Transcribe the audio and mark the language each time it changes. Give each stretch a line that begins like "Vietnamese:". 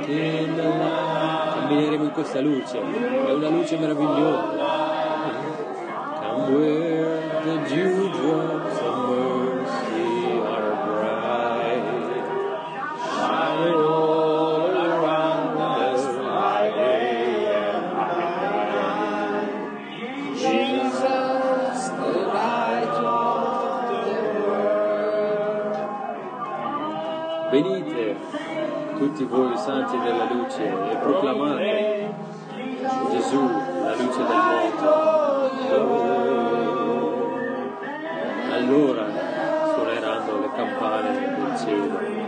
Italian: Camminiamo in questa luce, è una luce meravigliosa.
English: Where the dewdrops of mercy are bright, shine all around us by day and night. Jesus, the light of the world.
Italian: Venite, tutti voi santi della luce, e proclamate Gesù, la luce del mondo. Allora suoneranno le campane del cielo.